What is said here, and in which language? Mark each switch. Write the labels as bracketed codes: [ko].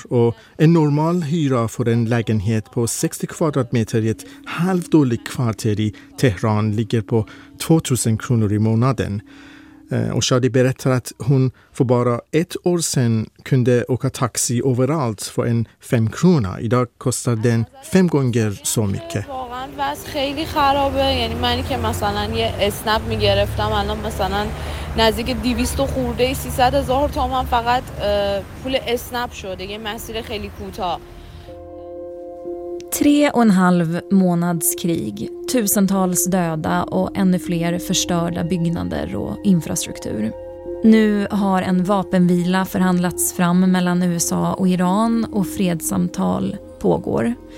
[sv] Och en normal hyra för en lägenhet på 60 kvadratmeter i ett halvdåligt kvarter i Teheran ligger på 2000 kronor i månaden. Och Shadi berättar att hon för bara ett år sedan kunde åka taxi överallt för en 5 krona. Idag kostar den 5 gånger så mycket. [fa] بس خیلی خرابه یعنی منی که مثلا یه اسنپ میگرفتم الان مثلا نزدیک 200 خورده 300 هزار تومان فقط پول اسنپ شده یه مسیر خیلی کوتاه. [sv] 3,5 månads krig, tusentals döda och ännu fler förstörda byggnader och infrastruktur. Nu har en vapenvila förhandlats fram mellan USA och Iran och fredssamtal pågår.